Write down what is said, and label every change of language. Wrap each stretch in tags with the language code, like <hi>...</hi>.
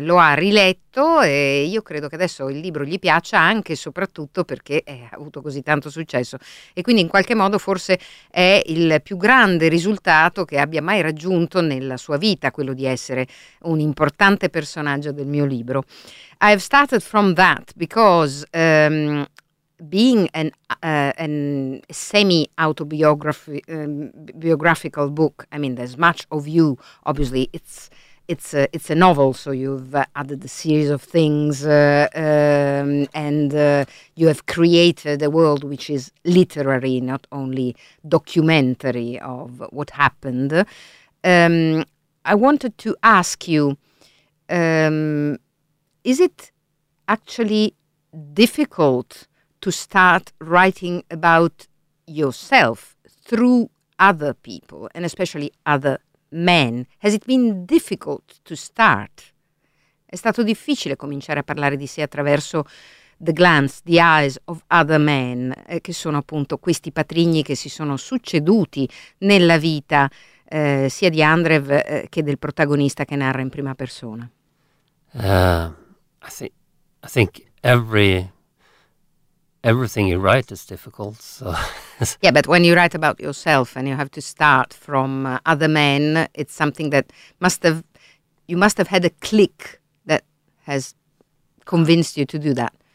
<it>Lo ha riletto e io credo che adesso il libro gli piaccia, anche e soprattutto perché ha avuto così tanto successo, e quindi in qualche modo forse è il più grande risultato che abbia mai raggiunto nella sua vita, quello di essere un importante personaggio del mio libro.</it> <en>I've started from that because being an semi-autobiographical book, I mean, there's much of you. Obviously, it's a novel, so you've added a series of things, you have created a world which is literary, not only documentary of what happened. I wanted to ask you: is it actually difficult to start writing about yourself through other people, and especially other men? Has it been difficult to start?</en> <it>È stato difficile cominciare a parlare di sé attraverso</it> <en>the glance, the eyes of other men,</en> <it>che sono appunto questi patrigni che si sono succeduti nella vita sia di Andrev che del protagonista che narra in prima persona.</it> <en>I think everything you write is difficult. So. Yeah, but when you write about yourself and you have to start from other men, it's something that you must have had a click that has convinced you to do that.</en>